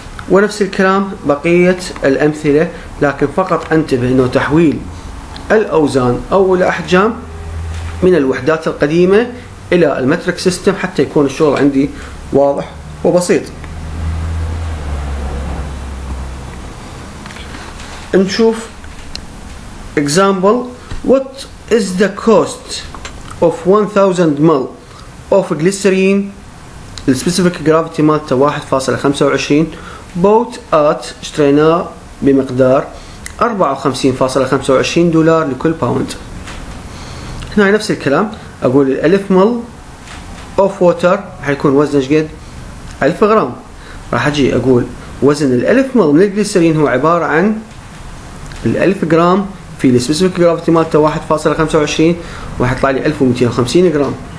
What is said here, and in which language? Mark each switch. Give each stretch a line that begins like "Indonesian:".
Arabic: ونفس الكلام بقيه الامثله، لكن فقط انتبه انه تحويل الاوزان او الاحجام من الوحدات القديمه الى المتريك سيستم حتى يكون الشغل عندي واضح وبسيط. نشوف
English: example: what is the cost of 1000 ml of glycerine the specific gravity مالته 1.25 bought at
Arabic: اشتريناه بمقدار 54.25 دولار لكل باوند. هنا نفس الكلام اقول 1000 ml of water حيكون وزنه شقد؟ 1000 غرام. راح اجي اقول وزن ال1000 مل من الجليسرين هو عباره عن ال1000 جرام في السبيسيفيك جرافيتي مالته 1.25، راح يطلع لي 1250 جرام.